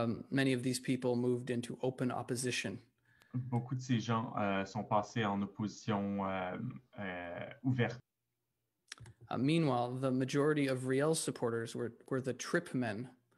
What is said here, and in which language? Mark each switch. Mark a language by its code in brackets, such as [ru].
[en] Many of these people moved into open opposition. [fr] Beaucoup de ces gens sont passés en opposition ouverte. [en] Meanwhile, the majority of Riel's supporters were the trip men.